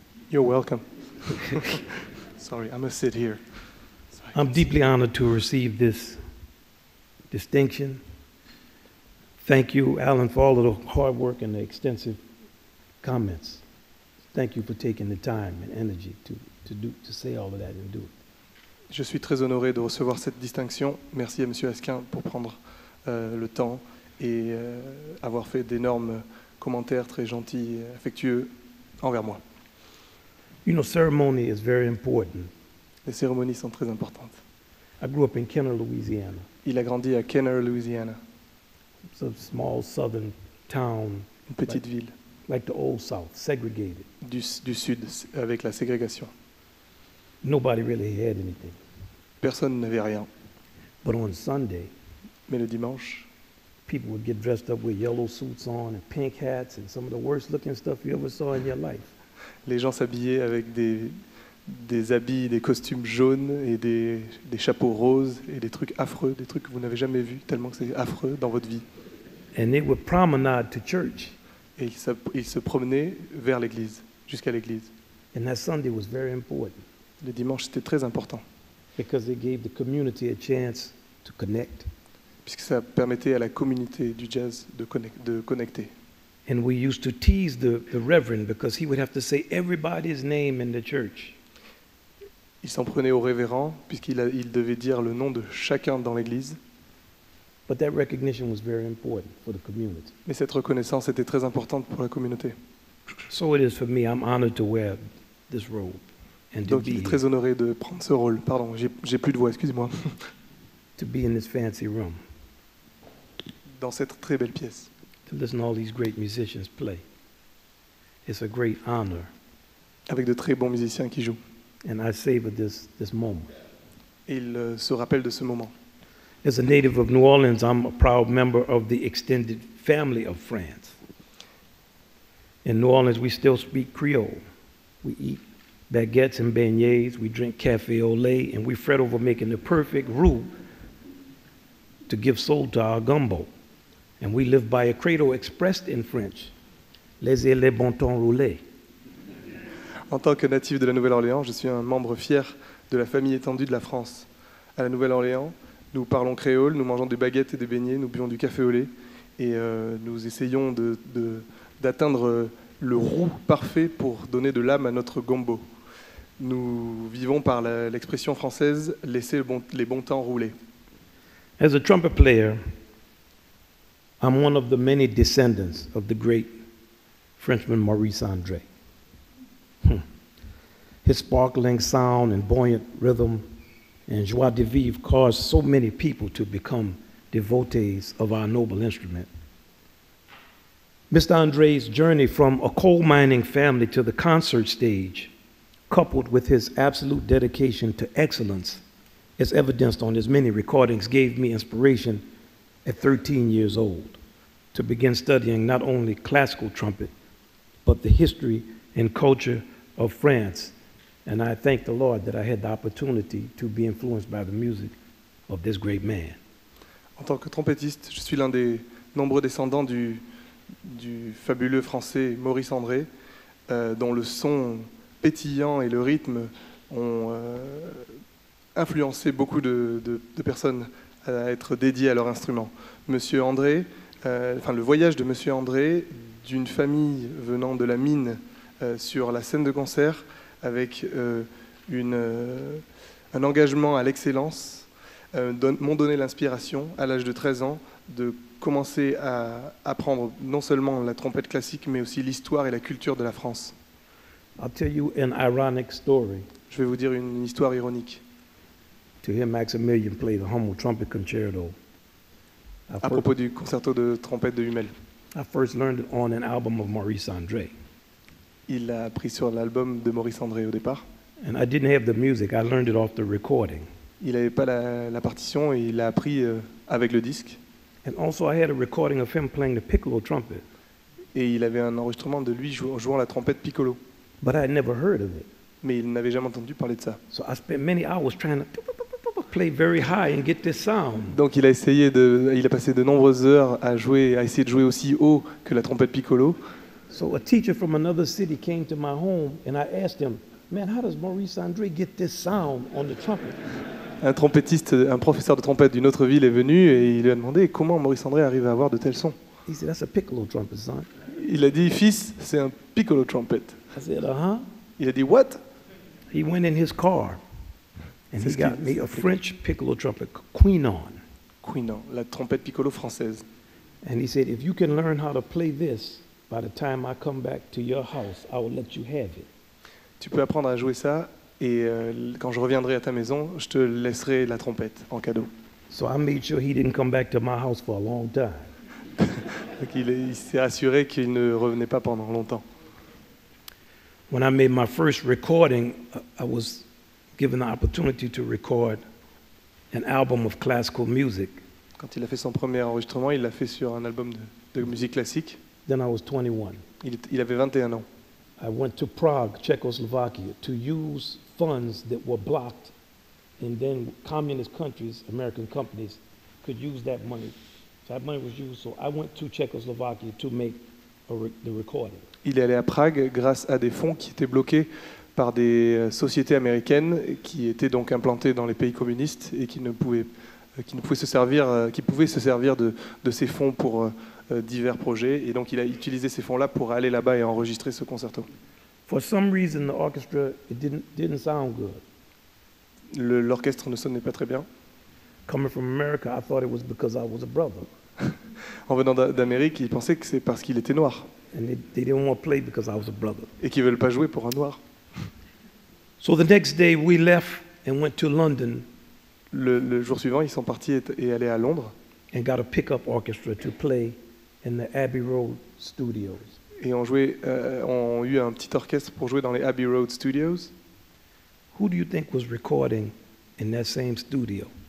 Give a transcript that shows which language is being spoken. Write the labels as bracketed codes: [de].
[en] You're welcome. Sorry, I'm gonna sit here. I'm deeply honored to receive this distinction. Thank you, Alan, for all of the hard work and the extensive comments. Thank you for taking the time and energy to say all of that and do it. [fr] Je suis très honoré de recevoir cette distinction. Merci à Monsieur Askin pour prendre le temps et avoir fait d'énormes commentaires très gentils et affectueux envers moi. [en] You know, ceremony is very important. [fr] Les cérémonies sont très importantes. [en] I grew up in Kenner, Louisiana. [fr] Il a grandi à Kenner, Louisiana. [en] It's a small southern town. [fr] Une petite ville. [en] Like the old South, segregated. [fr] Du sud avec la ségrégation. [en] Nobody really had anything. [fr] Personne n'avait rien. [en] But on Sunday, [fr] mais le dimanche, [en] people would get dressed up with yellow suits on and pink hats and some of the worst looking stuff you ever saw in your life. [fr] Les gens s'habillaient avec des habits, des costumes jaunes et des chapeaux roses et des trucs affreux, des trucs que vous n'avez jamais vus tellement que c'est affreux dans votre vie. [en] And they would promenade to church. [fr] Et ils se promenaient vers l'église, jusqu'à l'église. [en] And that Sunday was very important. [fr] Le dimanche, c'était très important. [en] Because it gave the community a chance to connect. [fr] Puisque ça permettait à la communauté du jazz de connecter. [en] And we used to tease the reverend because he would have to say everybody's name in the church. [fr] Il s'en prenait au révérend puisqu'il devait dire le nom de chacun dans l'église. [en] But that recognition was very important for the community. [fr] Mais cette reconnaissance était très importante pour la communauté. [en] So it is for me. I'm honored to wear this robe and [fr] donc [en] to be [fr] il est très honoré de prendre ce rôle. Pardon, j'ai plus de voix, excusez-moi. [en] To be in this fancy room. [fr] Dans cette très belle pièce. [en] To listen to all these great musicians play. It's a great honor. [fr] Avec de très bons musiciens qui jouent. [en] And I savor this moment. [fr] Il se rappelle de ce moment. [en] As a native of New Orleans, I'm a proud member of the extended family of France. In New Orleans, we still speak Creole. We eat baguettes and beignets, we drink café au lait, and we fret over making the perfect roux to give soul to our gumbo. And we live by a credo expressed in French, [fr] laissez les bons temps rouler. En tant que natif de la Nouvelle-Orléans, je suis un membre fier de la famille étendue de la France. À la Nouvelle-Orléans, nous parlons créole, nous mangeons des baguettes et des beignets, nous buvons du café au lait et nous essayons d'atteindre le roux parfait pour donner de l'âme à notre gombo. Nous vivons par l'expression française « laisser les bons temps rouler ». [en] As a trumpet player, I'm one of the many descendants of the great Frenchman Maurice André. His sparkling sound and buoyant rhythm and joie de vivre caused so many people to become devotees of our noble instrument. Mr. André's journey from a coal mining family to the concert stage, coupled with his absolute dedication to excellence, as evidenced on his many recordings, gave me inspiration at 13 years old to begin studying not only classical trumpet, but the history and culture of France. And I thank the Lord that I had the opportunity to be influenced by the music of this great man. [fr] En tant que trompettiste, je suis l'un des nombreux descendants du fabuleux français Maurice André, dont le son pétillant et le rythme ont influencé beaucoup de personnes à être dédiées à leur instrument. Monsieur André, le voyage de Monsieur André d'une famille venant de la mine sur la scène de concert avec un engagement à l'excellence m'ont donné l'inspiration à l'âge de 13 ans de commencer à apprendre non seulement la trompette classique mais aussi l'histoire et la culture de la France. [en] I'll tell you an ironic story. [fr] Je vais vous dire une histoire ironique. [en] To hear Maximilian play the Hummel trumpet concerto. [fr] À propos du concerto de trompette de Hummel. [en] I first learned it on an album of Maurice André. [fr] Il l'a appris sur l'album de Maurice André au départ. [en] And I didn't have the music. I learned it off the recording. [fr] Il n'avait pas la partition et il l'a appris avec le disque. [en] And also I had a recording of him playing the piccolo trumpet. [fr] Et il avait un enregistrement de lui jouant la trompette piccolo. [en] But I had never heard of it. [fr] Mais il n'avait jamais entendu parler de ça. [en] So I spent many hours trying to play very high and get this sound. [fr] Donc il a passé de nombreuses heures à essayer de jouer aussi haut que la trompette piccolo. [en] So a teacher from another city came to my home and I asked him, "Man, how does Maurice André get this sound on the trumpet?" [fr] Un trompettiste, un professeur de trompette d'une autre ville est venu et il lui a demandé comment Maurice André arrive à avoir de tels sons. [en] He said, "That's a piccolo trumpet, son." [fr] Il a dit, "Fils, c'est un [en] piccolo trumpet." I said, "Uh-huh." [fr] Il a dit, [en] "What?" He went in his car. And he got me a French piccolo trumpet, Quinon. [fr] Quinon, la trompette piccolo française. [en] And he said, "If you can learn how to play this by the time I come back to your house, I will let you have it." [fr] Tu peux apprendre à jouer ça et quand je reviendrai à ta maison, je te laisserai la trompette en cadeau. [en] So I made sure he didn't come back to my house for a long time. [fr] Donc il s'est assuré qu'il ne revenait pas pendant longtemps. [en] When I made my first recording, I was given the opportunity to record an album of classical music. [fr] Quand il a fait son premier enregistrement, il l'a fait sur un album de musique classique. [en] Then I was 21. [fr] Il avait 21 ans. [en] I went to Prague, Czechoslovakia, to use funds that were blocked, and then communist countries, American companies, could use that money. That money was used, so I went to Czechoslovakia to make the recording. [fr] Il est allé à Prague grâce à des fonds qui étaient bloqués par des sociétés américaines qui étaient donc implantées dans les pays communistes et qui pouvaient se servir de ces fonds pour divers projets. Et donc il a utilisé ces fonds-là pour aller là-bas et enregistrer ce concerto. [en] For some reason, the orchestra didn't sound good. [fr] L'orchestre ne sonnait pas très bien. [en] Coming from America, I thought it was because I was a brother. [fr] En venant d'Amérique, il pensait que c'est parce qu'il était noir. [en] And they didn't want to play because I was a brother. [fr] Et qu'ils veulent pas jouer pour un noir. [en] So the next day we left and went to London. [fr] Le jour suivant, ils sont partis et allés à Londres. [en] And got a pickup orchestra to play in the Abbey Road Studios. [fr] Et ont eu un petit orchestre pour jouer dans les Abbey Road Studios. [en] Who do you think was recording in that same studio?